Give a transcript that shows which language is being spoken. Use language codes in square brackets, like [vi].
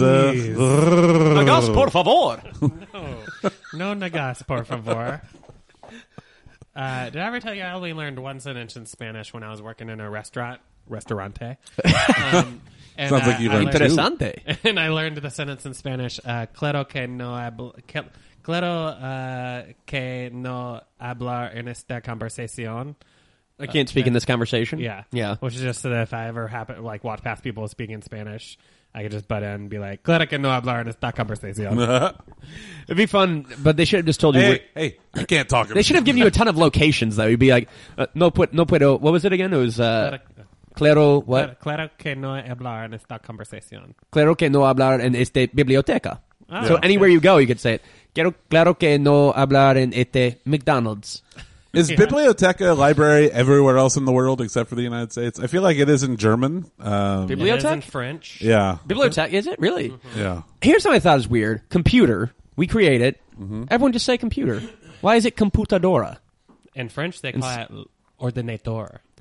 [es] Nugus, por favor. No. No Nugus, por favor. [en] Did I ever tell you I only learned one sentence in Spanish when I was working in a restaurant? [es] Restaurante. [en] And, sounds like you learned two. Interesante. And I learned the sentence in Spanish. [es] Claro que no hablo... Claro que no hablar en esta conversación. [en] I can't speak in this conversation. Yeah. Yeah. Which is just so that if I ever happen, like, walk past people speaking Spanish, I could just butt in and be like, [es] claro que no hablar en esta conversación. [en] It'd be fun, but they should have just told you. Hey, I can't talk. They should have given you a ton of locations, though. You'd be like, [es] no puedo. [en] What was it again? It was claro what? [es] Claro que no hablar en esta conversación. Claro que no hablar en esta biblioteca. [en] Oh, so yeah. Anywhere you go, you could say it. [es] Claro que no hablar en este McDonald's. [en] Is biblioteca a library everywhere else in the world except for the United States? I feel like it is in German. [es] Biblioteca? [en] It is in French. Yeah. Biblioteca, is it? Really? Mm-hmm. Yeah. Here's something I thought is weird. Computer. We create it. Mm-hmm. Everyone just say computer. Why is it computadora? In French, they call it ordinateur.